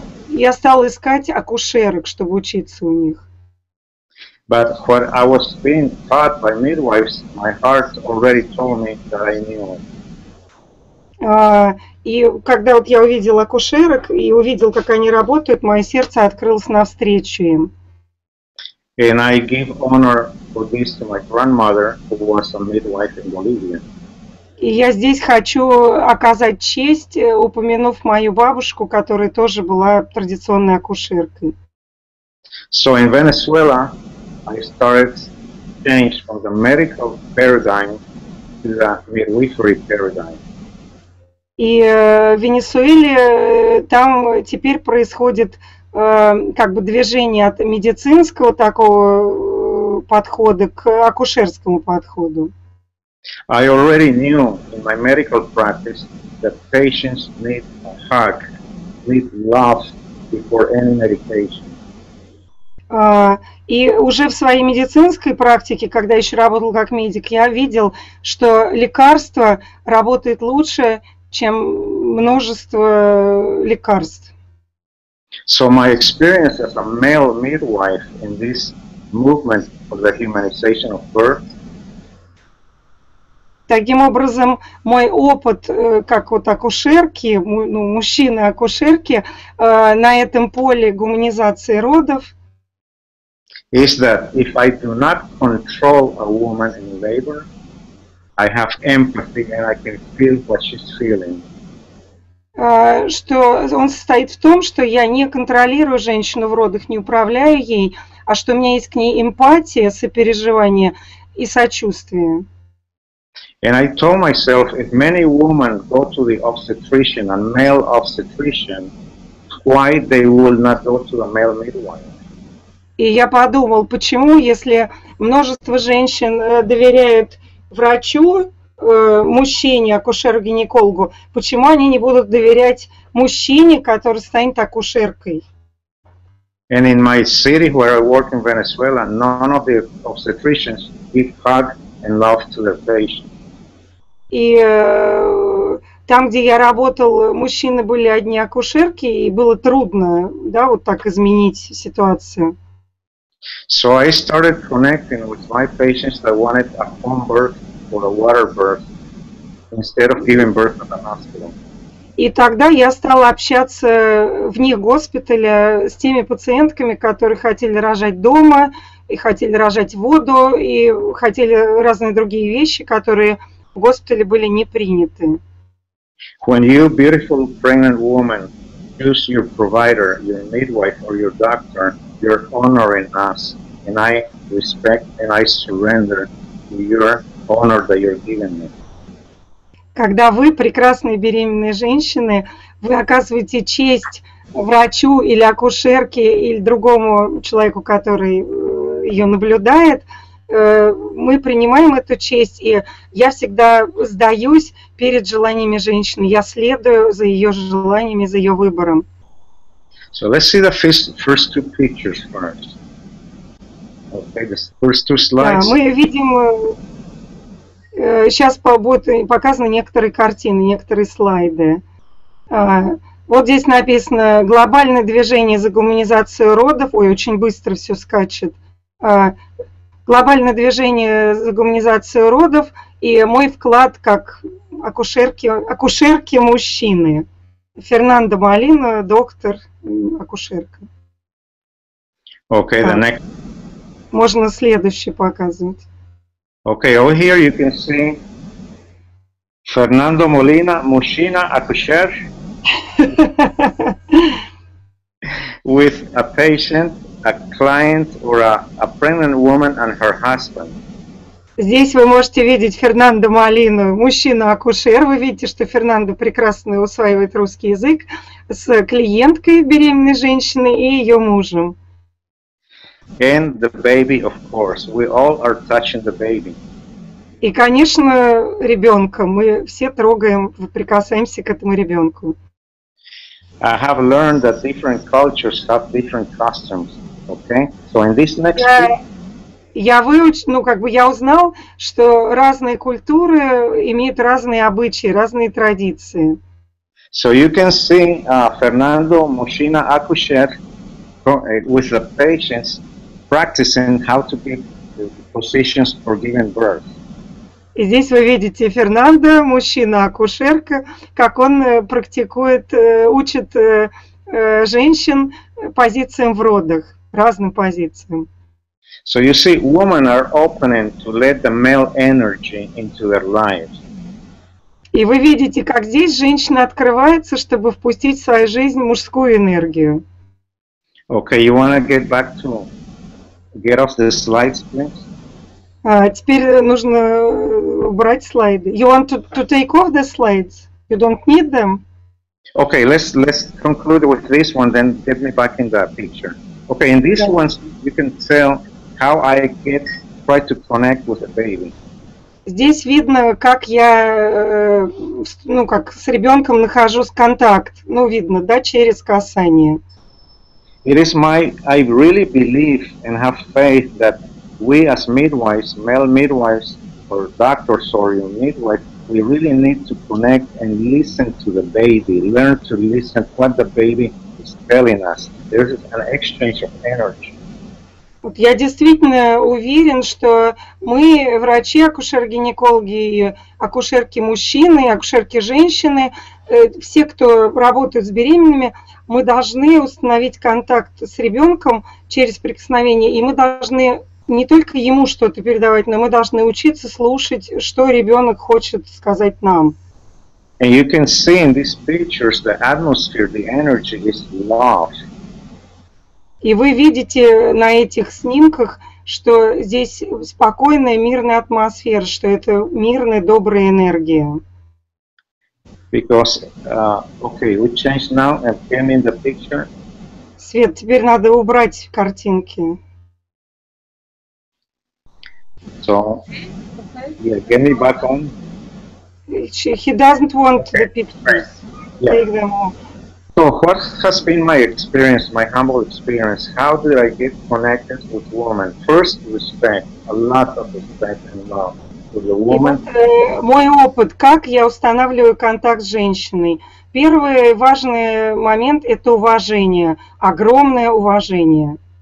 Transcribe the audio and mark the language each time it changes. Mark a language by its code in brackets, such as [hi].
[ru] Я стал искать акушерок, чтобы учиться у них. [en] But when I was being taught by midwives, my heart already told me that I knew it. [ru] И когда вот я увидел акушерок и увидел, как они работают, мое сердце открылось навстречу им. [en] And I give honor for this to my grandmother, who was a midwife in Bolivia. [ru] И я здесь хочу оказать честь, упомянув мою бабушку, которая тоже была традиционной акушеркой. [en] So in Venezuela, I started change from the medical paradigm to the midwifery paradigm. [ru] И в Венесуэле там теперь происходит как бы движение от медицинского такого подхода к акушерскому подходу. [en] I already knew in my medical practice that patients need a hug, need love before any medication. [ru] И уже в своей медицинской практике, когда еще работал как медик, я видел, что лекарство работает лучше, чем множество лекарств. [en] So my experience as a male midwife in this movement for the humanization of birth. [ru] Таким образом, мой опыт как вот акушерки, ну, мужчины-акушерки на этом поле гуманизации родов. [en] Is that if I do not control a woman in labor, I have empathy and I can feel what she's feeling. [ru] Что он состоит в том, что я не контролирую женщину в родах, не управляю ей, а что у меня есть к ней эмпатия, сопереживание и сочувствие. [en] And I told myself, if many women go to the obstetrician, a male obstetrician, why they will not go to a male midwife? [ru] И я подумал, почему, если множество женщин доверяют врачу, мужчине, акушеру-гинекологу, почему они не будут доверять мужчине, который станет акушеркой? [en] And in my city, where I work in Venezuela, none of the obstetricians give hug and love to their patients. [ru] И там, где я работал, мужчины были одни акушерки, и было трудно, да, вот так изменить ситуацию. [en] So I started connecting with my patients that wanted a home birth. For a water birth, instead of giving birth at the hospital. [ru] И тогда я стала общаться вне госпиталя с теми пациентками, которые хотели рожать дома и хотели рожать воду и хотели разные другие вещи, которые в госпитале были не приняты. [en] When you beautiful pregnant woman choose your provider, your midwife or your doctor, you're honoring us, and I respect and I surrender to your honor that you're giving me. [ru] Когда вы, прекрасные беременные женщины, вы оказываете честь врачу или акушерке или другому человеку, который ее наблюдает, мы принимаем эту честь, и я всегда сдаюсь перед желаниями женщины. Я следую за ее желаниями, за ее выбором. [en] So let's see the first two pictures first. Okay, the first two slides. [ru] Да, мы видим. Сейчас будут показаны некоторые картины, некоторые слайды. Вот здесь написано «Глобальное движение за гуманизацию родов». Ой, очень быстро все скачет. «Глобальное движение за гуманизацию родов» и мой вклад как акушерки мужчины. Фернандо Малина, доктор, акушерка. [en] Okay, the next. [ru] Можно следующее показывать. [en] Okay, over here you can see Fernando Molina, [ru] Mushina, Akusher, [en] with a patient, a client, or a pregnant woman and her husband. [ru] Здесь вы можете видеть Фернандо Малину, мужчину-акушер. Вы видите, что Фернандо прекрасно усваивает русский язык с клиенткой беременной женщины и ее мужем. [en] And the baby, of course. We all are touching the baby. [ru] И, конечно, ребенка. Мы все трогаем, прикасаемся к этому ребенку. [en] I have learned that different cultures have different customs. Okay? So in this next... [ru] Я узнал, что разные культуры имеют разные обычаи, разные традиции. [en] So you can see Fernando [ru] Mushina Akusher [en] with the patients practicing how to give the positions for giving birth. [ru] И здесь вы видите Фернандо, мужчина-акушерка, как он практикует, учит женщин позициям в родах, разным позициям. [en] So you see, women are opening to let the male energy into their lives. [ru] И вы видите, как здесь женщина открывается, чтобы впустить в свою жизнь мужскую энергию. [en] Okay, you want to get back to get off the slides, please? [ru] Теперь нужно убрать слайды. [en] You want to take off the slides? You don't need them? Okay, let's conclude with this one, then get me back in the picture. Okay, in this one you can tell how I get try to connect with the baby. [ru] Здесь видно, как я, с ребенком нахожу контакт. Ну, видно, да, через касание. [en] It is my, I really believe and have faith that we as midwives, male midwives, or doctors, or your midwife, we really need to connect and listen to the baby, learn to listen to what the baby is telling us. There is an exchange of energy. [ru] Вот я действительно уверен, что мы, врачи, акушер-гинекологи, акушерки-мужчины, акушерки-женщины, все, кто работает с беременными, мы должны установить контакт с ребенком через прикосновение, и мы должны... не только ему что-то передавать, но мы должны учиться слушать, что ребенок хочет сказать нам. [en] And you can see in these pictures the atmosphere, the energy is love. [ru] И вы видите на этих снимках, что здесь спокойная, мирная атмосфера, что это мирная, добрая энергия. [en] Because, okay, we changed now and came in the picture. [ru] Свет, теперь надо убрать картинки. [en] So, yeah, get me back on. He doesn't want the pictures. Yeah. Take them off. So, what has been my experience, my humble experience? How did I get connected with women? First, respect, a lot of respect and love for the woman. [ru] Мой опыт, как я устанавливаю контакт с женщиной. Первый важный момент – это уважение, огромное уважение.